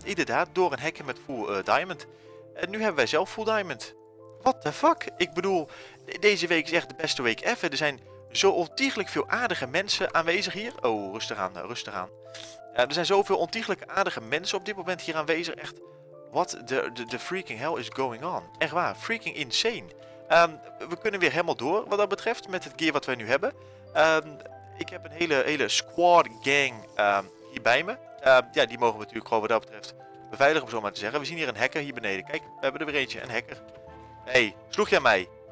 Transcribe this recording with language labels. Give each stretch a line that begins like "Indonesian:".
Dutch: Inderdaad, door een hacker met full diamond. En nu hebben wij zelf full diamond.
English: What the fuck?
Dutch: Ik bedoel... Deze week is echt de beste week ever. Er zijn zo ontiegelijk veel aardige mensen aanwezig hier. Oh, rustig aan. Er zijn zoveel ontiegelijk aardige mensen op dit moment hier aanwezig.
English: Echt, what the freaking hell is going on?
Dutch: Echt waar, freaking insane. We kunnen weer helemaal door wat dat betreft met het gear wat wij nu hebben. Ik heb een hele squad gang hier bij me. Die mogen we natuurlijk gewoon wat dat betreft beveiligen, om zo maar te zeggen. We zien hier een hacker hier beneden. Kijk, we hebben er weer eentje, een hacker. Hey, sloeg jij mij?